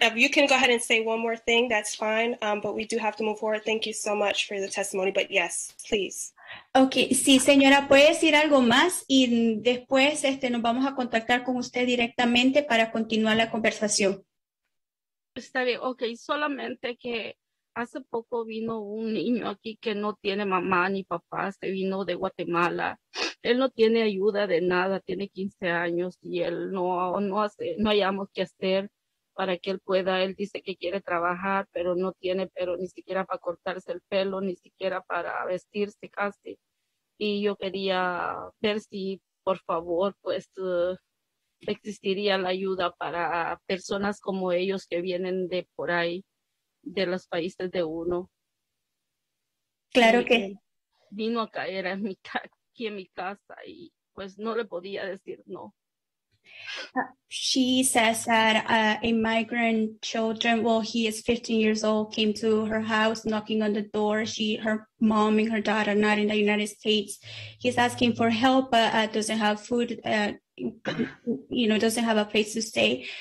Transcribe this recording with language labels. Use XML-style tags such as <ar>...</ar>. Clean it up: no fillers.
<en>If you can go ahead and say one more thing, that's fine. But we do have to move forward. Thank you so much for the testimony. But yes, please.</en> <es>Okay, sí, señora, puede decir algo más y después nos vamos a contactar con usted directamente para continuar la conversación. Está bien, okay. Solamente que hace poco vino un niño aquí que no tiene mamá ni papá, se vino de Guatemala. Él no tiene ayuda de nada, tiene 15 años y él no hallamos qué hacer para que él pueda. Él dice que quiere trabajar, pero no tiene, pero ni siquiera para cortarse el pelo, ni siquiera para vestirse casi. Y yo quería ver si, por favor, pues existiría la ayuda para personas como ellos que vienen de por ahí, de los países de uno. Claro que vino a caer aquí en mi casa y pues no le podía decir no.</es> <en>She says that a migrant children, well, he is 15 years old, came to her house knocking on the door. Her mom and her daughter not in the United States. He's asking for help, but doesn't have food, doesn't have a place to stay.</en>